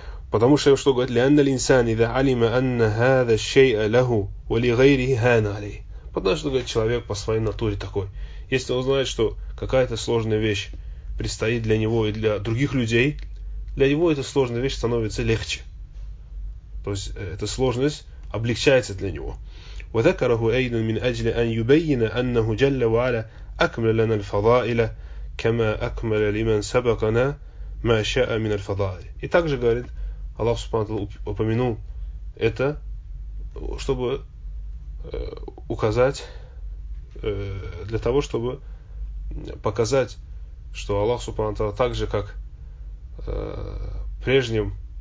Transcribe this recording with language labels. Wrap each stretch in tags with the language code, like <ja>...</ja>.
<ru>Потому что что говорит,</ru> <ar>لأن الإنسان إذا علم أن هذا الشيء له ولغيره هان عليه.</ar> <ru>Однажды, говорит, человек по своей натуре такой. Если он знает, что какая-то сложная вещь предстоит для него и для других людей, для него эта сложная вещь становится легче. То есть эта сложность облегчается для него.</ru> <ar>وذكره أيضا من أجل أن يبين أنه جل وعلا أكمل لنا الفضائل كما أكمل لمن سبقنا ما شاء من الفضائل.</ar> <ru>И также говорит, Аллах Субхану упомянул это, чтобы указать, для того, чтобы показать, что Аллах Субхану Тала так же, как прежним</ru>